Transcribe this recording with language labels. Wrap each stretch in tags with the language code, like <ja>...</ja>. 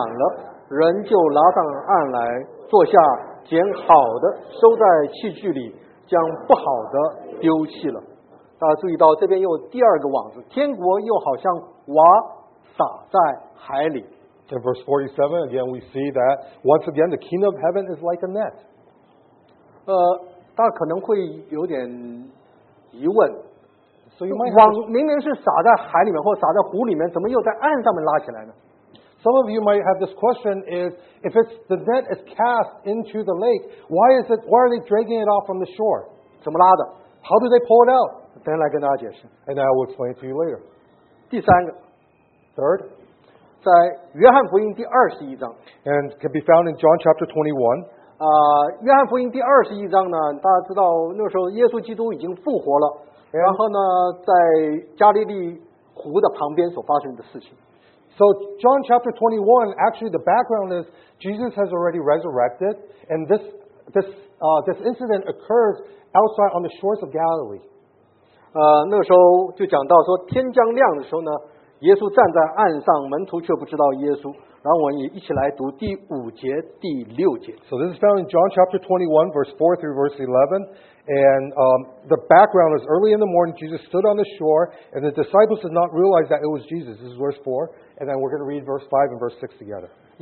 <zh>天国又好像网撒在海里，聚拢各样的水族，网既满了，人就拉上岸来，坐下。捡好的收在器具里，将不好的丢弃了。大家注意到，这边又有第二个网子，天国又好像网撒在海里。</zh> <en>In verse 47, again, we see that once again, the kingdom of heaven is like a net.</en> <zh>大家可能会有点疑问。</zh> <en>So you might</en> <zh>网明明是撒在海里面或撒在湖里面，怎么又在岸上面拉起来呢？</zh> <en>Some of you might have this question is, if it's the net is cast into the lake, why are they dragging it off from the shore?</en> <zh>怎么拉的?</zh> <en>How do they pull it out?</en> <zh>等一下来跟大家解释。</zh> <en>And I will explain it to you later.</en> <zh>第三个,</zh> <en>Third,</en> <zh>在约翰福音第21章,</zh> <en>and can be found in John chapter 21.</en> <zh>约翰福音第21章呢, 大家知道那时候耶稣基督已经复活了, and, 然后呢, 在加利利湖的旁边所发生的事情。</zh> <en>So John chapter 21, actually the background is Jesus has already resurrected, and this incident occurs outside on the shores of Galilee.</en> <zh>那时候就讲到说天将亮的时候呢，耶稣站在岸上，门徒却不知道耶稣。然后我们也一起来读第5节、第6节。</zh> <en>So this is found in John chapter 21, verse 4 through verse 11. And the background is early in the morning, Jesus stood on the shore, and the disciples did not realize that it was Jesus. This is verse 4. And then we're going to read verse 5 and verse 6 together.</en>